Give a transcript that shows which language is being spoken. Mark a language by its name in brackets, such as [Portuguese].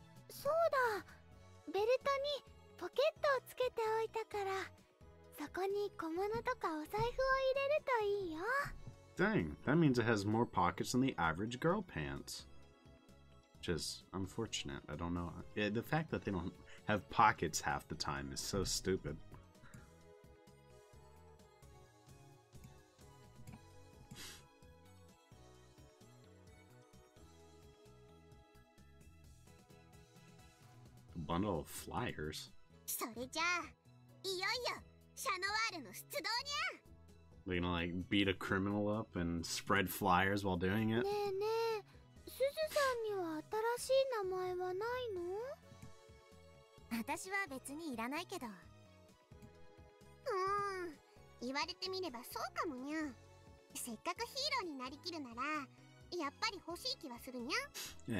[Japanese] そうだ、ベルトにポケットをつけておいたから、そこに小物とかお財布を入れるといいよ。 [English] Dang, that means it has more pockets than the average girl pants. Which is unfortunate, I don't know. Yeah, the fact that they don't have pockets half the time is so stupid. Bundle of flyers. [Japanese] それじゃあ、いよいよシャノワールの出動にゃ。 [English] We're gonna like beat a criminal up and spread flyers while doing it. [Japanese] ねえねえ、スズさんには新しい名前はないの？私は別にいらないけど。言われてみればそうかもにゃ。せっかくヒーローになりきるなら、やっぱり欲しい気はするにゃ。